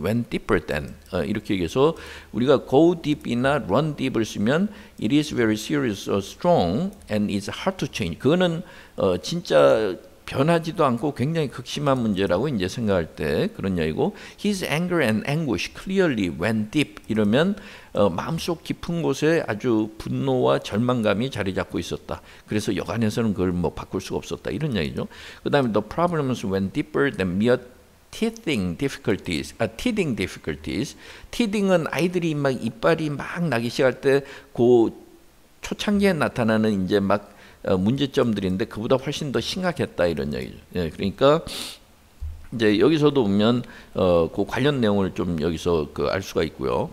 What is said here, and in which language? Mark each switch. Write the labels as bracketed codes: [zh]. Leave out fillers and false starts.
[en] When deeper than [ko] 이렇게 얘기해서 우리가 [en] go deep이나 run deep을 쓰면 it is very serious or strong and it's hard to change. [ko] 그거는 진짜 변하지도 않고 굉장히 극심한 문제라고 이제 생각할 때 그런 이야기고 [en] His anger and anguish clearly went deep [ko] 이러면 마음속 깊은 곳에 아주 분노와 절망감이 자리 잡고 있었다. 그래서 여간에서는 그걸 뭐 바꿀 수가 없었다. 이런 이야기죠. [en] 그 다음에 The problems went deeper than mere teething difficulties. Teething difficulties. [ko] Teething은 아이들이 막 이빨이 막 나기 시작할 때 그 초창기에 나타나는 이제 막 문제점들인데 그보다 훨씬 더 심각했다 이런 얘기죠. 예, 그러니까 이제 여기서도 보면 그 관련 내용을 좀 여기서 그 알 수가 있고요.